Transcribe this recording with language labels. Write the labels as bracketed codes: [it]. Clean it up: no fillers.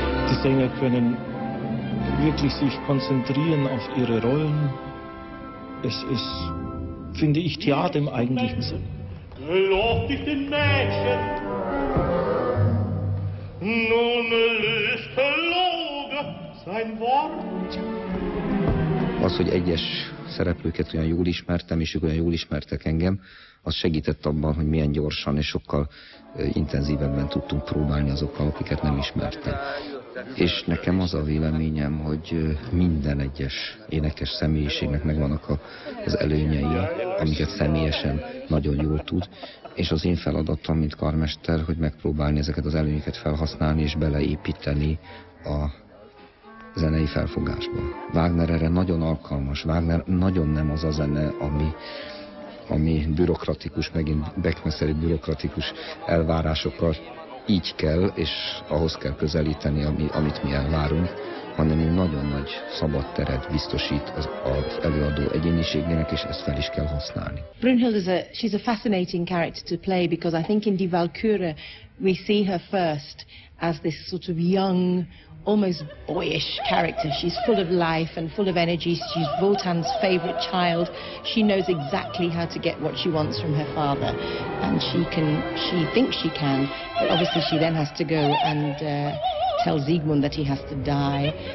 [de] Die Sänger können wirklich sich konzentrieren auf ihre Rollen. Es ist, finde ich, Theater im eigentlichen Sinn. Lob dich den Mädchen, nun löst Loge sein Wort. [hu] Az, hogy egyes szereplőket olyan jól ismertem, és ők olyan jól ismertek engem, az segített abban, hogy milyen gyorsan és sokkal intenzívebben tudtunk próbálni azokkal, akiket nem ismertem. És nekem az a véleményem, hogy minden egyes énekes személyiségnek megvannak az előnyei, amiket személyesen nagyon jól tud, és az én feladatom, mint karmester, hogy megpróbálni ezeket az előnyeket felhasználni és beleépíteni a zenei felfogásban. Wagner erre nagyon alkalmas. Wagner nagyon nem az a zene, ami bürokratikus, megint Beckmesseri bürokratikus elvárásokkal így kell, és ahhoz kell közelíteni, amit mi elvárunk, hanem nagyon nagy szabad teret biztosít az előadó egyéniségének, és ezt fel is kell használni. [en] Brunhild is she's a fascinating character to play, because I think in Die Walküre we see her first as this sort of young, almost boyish character. She's full of life and full of energy. She's Wotan's favorite child. She knows exactly how to get what she wants from her father. And she thinks she can, but obviously she then has to go and tell Siegmund that he has to die.